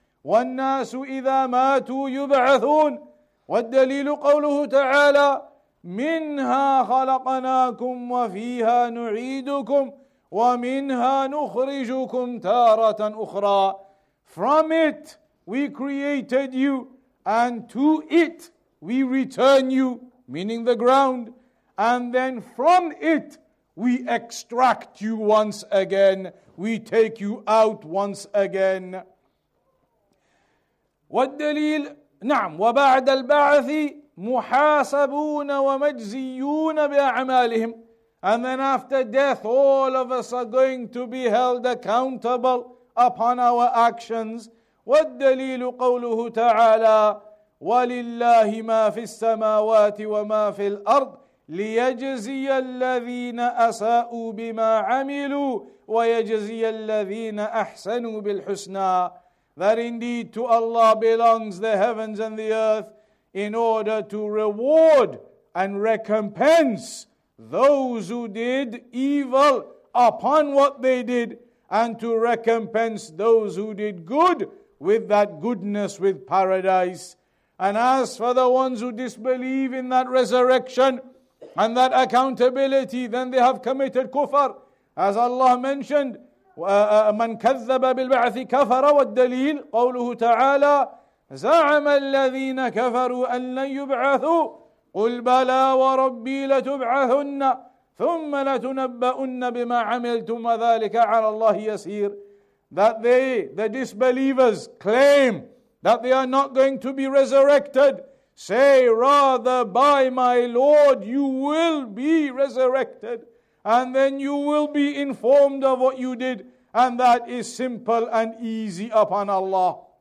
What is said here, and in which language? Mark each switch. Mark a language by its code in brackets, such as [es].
[ar] وَالنَّاسُ إِذَا مَاتُوا يُبْعَثُونَ. وَالدَّلِيلُ قَوْلُهُ تَعَالَى مِنْهَا خَلَقَنَاكُمْ وَفِيهَا نُعِيدُكُمْ وَمِنْهَا نُخْرِجُكُمْ تَارَةً أُخْرَى. [en] From it we created you and to it we return you, meaning the ground. And then from it, we extract you once again. We take you out once again. [ar] والدليل نعم وبعد البعث محاسبون ومجزيون بأعمالهم. [en] And then after death, all of us are going to be held accountable upon our actions. [ar] والدليل قوله تعالى ولله ما في السماوات وما في الأرض لِيَجْزِيَ الَّذِينَ أَسَاءُوا بِمَا عَمِلُوا وَيَجْزِيَ الَّذِينَ أَحْسَنُوا بِالْحُسْنَى. [en] That indeed to Allah belongs the heavens and the earth in order to reward and recompense those who did evil upon what they did and to recompense those who did good with that goodness with paradise. And as for the ones who disbelieve in that resurrection and that accountability, then they have committed kufr. As Allah mentioned, [ar] مَنْ كَذَّبَ بِالْبَعْثِ كَفَرَ. وَالدَّلِيلِ قَوْلُهُ تَعَالَى زعم الذين كفروا أن لن يبعثوا قل بلى وربي لتبعثن ثم لتنبؤن بما عملتم وذلك على الله يسير. [en] That they, the disbelievers, claim that they are not going to be resurrected. Say, rather, by my Lord, you will be resurrected, and then you will be informed of what you did, and that is simple and easy upon Allah.